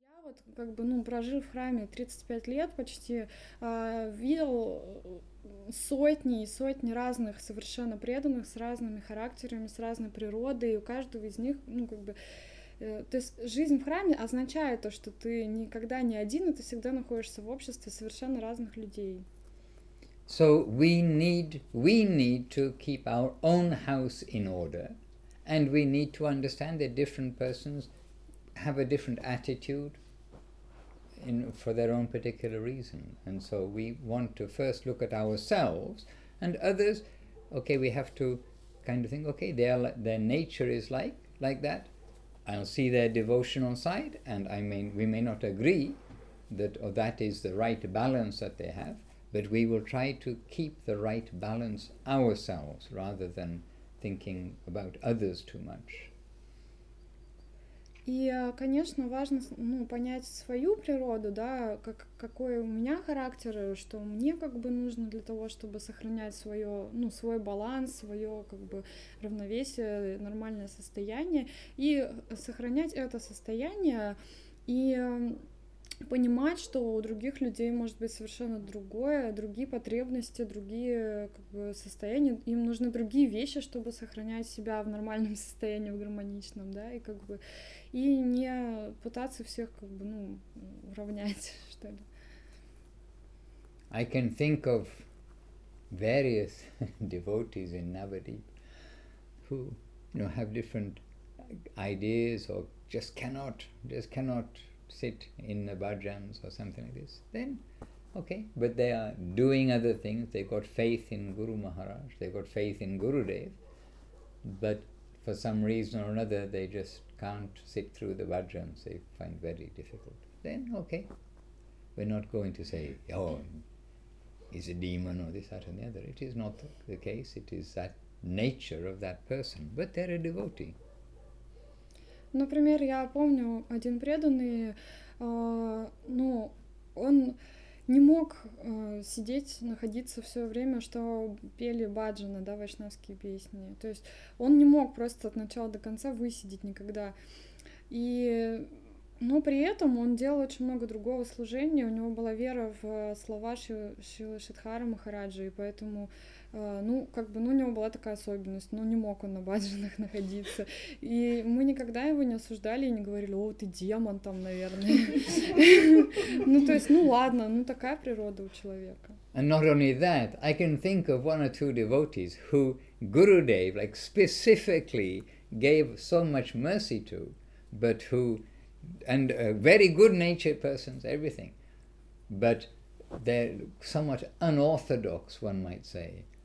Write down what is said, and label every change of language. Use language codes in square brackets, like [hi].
[ru] опыт, как бы, ну, прожив в храме 35 лет почти, видел сотни и сотни разных совершенно преданных с разными характерами, с разной природой, и у каждого из них, ну, как бы, то есть жизнь в храме означает то, что ты никогда не один, и ты всегда находишься в обществе совершенно разных людей. [en] So we need to keep our own house in order, and we need to understand that different persons have a different attitude in for their own particular reason. And so we want to first look at ourselves and others. Okay, we have to kind of think, okay, their nature is like that. I'll see their devotional side, and we may not agree that or that is the right balance that they have, but we will try to keep the right balance ourselves rather than thinking about others too much. [ru] И, конечно, важно, ну, понять свою природу, да, какой у меня характер, что мне как бы нужно для того, чтобы сохранять свое, ну, свой баланс, свое как бы равновесие, нормальное состояние, и сохранять это состояние и понимать, что у других людей может быть совершенно другое, другие потребности, другие как бы состояния, им нужны другие вещи, чтобы сохранять себя в нормальном состоянии, в гармоничном, да, и как бы и не пытаться всех как бы, ну, уравнять, что ли. [en] I can think of various devotees in Navadvip who, you know, have different ideas or just cannot sit in the bhajans or something like this, then okay, but they are doing other things. They've got faith in Guru Maharaj, they've got faith in Gurudev, but for some reason or another they just can't sit through the bhajans, they find very difficult. Then okay, we're not going to say, oh, he's a demon or this, that and the other. It is not the case, it is that nature of that person, but they're a devotee. [ru] Например, я помню один преданный, ну, он не мог сидеть, находиться все время, что пели баджаны, да, вайшнавские песни. То есть он не мог просто от начала до конца высидеть никогда. И, но при этом он делал очень много другого служения, у него была вера в слова Шрилы Шридхары Махараджи, и поэтому... ну, как бы, ну, у него была такая особенность, ну, не мог он на баджанах находиться. И мы никогда его не осуждали и не говорили, о, ты демон там, наверное. Ну, то есть, ну, ладно, ну, такая природа у человека. [en] And not only that, I can think of one or two devotees who Gurudev, like, specifically gave so much mercy to, but who, and a very good-natured persons, everything, but they're somewhat unorthodox, one might say.